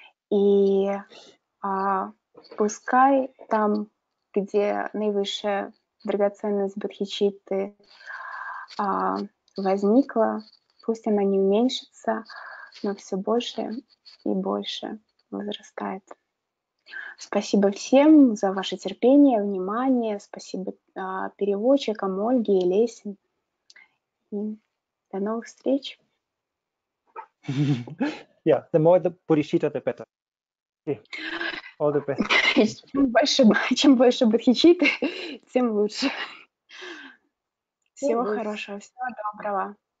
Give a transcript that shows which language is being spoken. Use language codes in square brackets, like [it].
[ru] И пускай там, где наивысшая драгоценность Бодхичитты возникла, пусть она не уменьшится, но все больше и больше возрастает. Спасибо всем за ваше терпение, внимание. Спасибо переводчикам Ольге и Лесе. И до новых встреч. [en] Yeah, the more the Bodhicitta, the better. Yeah. All the best. [ru] чем больше Бодхичитты, тем лучше. Всего хорошего, всего доброго.